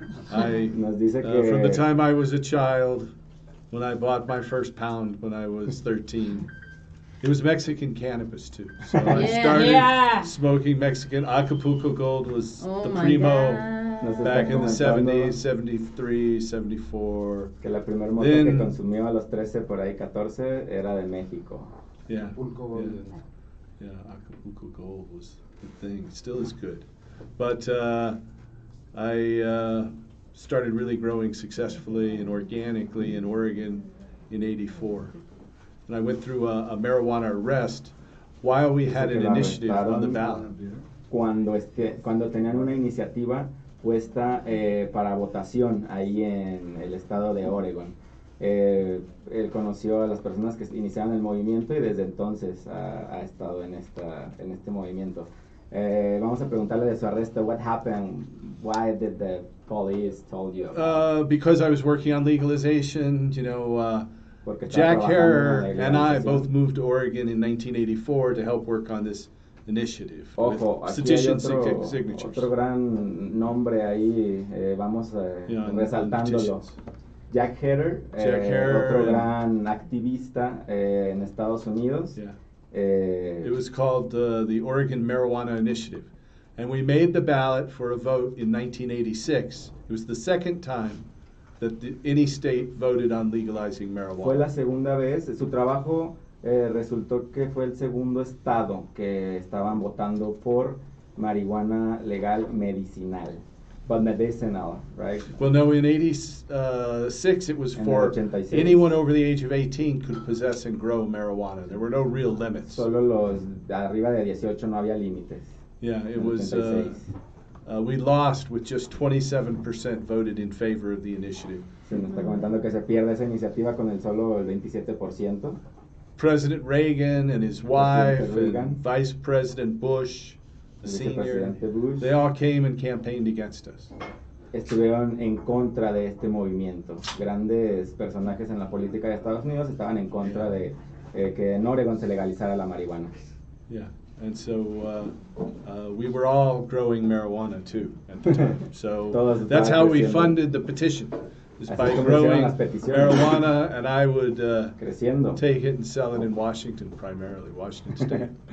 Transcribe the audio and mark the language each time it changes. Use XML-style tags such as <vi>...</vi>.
<en>From the time I was a child, when I bought my first pound when I was 13, it was Mexican cannabis too. So yeah, I started smoking Mexican. Acapulco Gold was the primo back in the 70s, 73, 74.</en> <es>Que la primera moto que consumió a los 13, por ahí 14, era de México.</es> <en>Yeah, Acapulco Gold was the thing. Still is good. But I started really growing successfully and organically in Oregon in 84. And I went through a marijuana arrest while we had an initiative on the ballot.</en> <es>Cuando tenían una iniciativa puesta para votación ahí en el estado de Oregon. Él conoció a las personas que iniciaron el movimiento y desde entonces ha estado en este movimiento. Vamos a preguntarle de su arresto.</es> <en>What happened? Why did the police told you? Because I was working on legalization. You know, Jack Herer and I both moved to Oregon in 1984 to help work on this initiative.</en> <es>Ojo,</es> <en>petition signatures.</en> <es>Otro gran nombre ahí. Vamos resaltándolo. Jack Herer, otro gran activista en Estados Unidos.</es> <en>Yeah. It was called the Oregon Marijuana Initiative. And we made the ballot for a vote in 1986. It was the second time that any state voted on legalizing marijuana.</en> <es>Fue la segunda vez. Su trabajo resultó que fue el segundo estado que estaban votando por marihuana legal medicinal.</es> <en>But medicinal, right? Well, no, in 86, it was for anyone over the age of 18 could possess and grow marijuana. There were no real limits.</en> <es>Solo los arriba de 18 no había límites.</es> <en>Yeah, it was, we lost with just 27% voted in favor of the initiative.</en> <es>Se nos está comentando que se pierde esa iniciativa con el solo el 27%.</es> <en>President Reagan and his wife and Vice President Bush, senior, they all came and campaigned against us.</en> <es>Estuvieron en contra de este movimiento. Grandes personajes en la política de Estados Unidos estaban en contra de que en Oregon se legalizara la marihuana.</es> <en>Yeah, and so we were all growing marijuana too at the time. So that's how</en> <es>creciendo.</es> <en>We funded the petition. Is by growing marijuana, and I would take it and sell it in Washington primarily, Washington State.</en>